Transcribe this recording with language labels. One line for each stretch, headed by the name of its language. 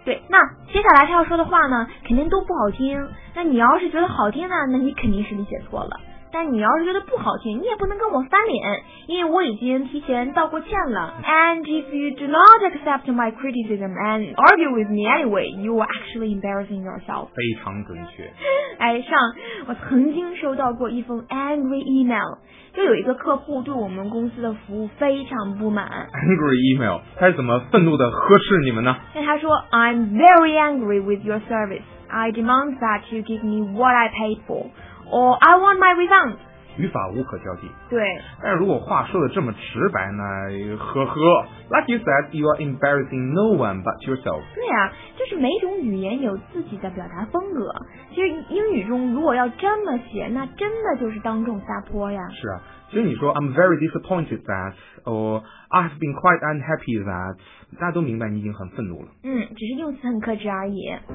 Chinese: 对，那接下来他要说的话呢肯定都不好听，那你要是觉得好听呢，那你肯定是理解错了，但你要是觉得不好听，你也不能跟我翻脸，因为我已经提前道过歉了。
English: And if you do not accept my criticism and argue with me anyway, you are actually embarrassing yourself.
Chinese: 非常准确。哎，上我曾经收到过一封 angry email，就有一个客户对我们公司的服务非常不满。 Angry email， 他是怎么愤怒的呵斥你们呢？那他说
English: ，I'm very angry with your service. I demand that you give me what I paid for, or I want my refund.
Chinese: 语法无可挑剔。对。但如果话说的这么直白呢？呵呵。
English: Like you said, you are embarrassing no one but yourself.
Chinese: 对啊，就是每种语言有自己的表达风格。其实英语中如果要这么写，那真的就是当众撒泼呀。是啊，其实你说
English: I'm very disappointed that, or I have been quite unhappy that，
Chinese: 大家都明白你已经很愤怒了。嗯，只是用词很克制而已。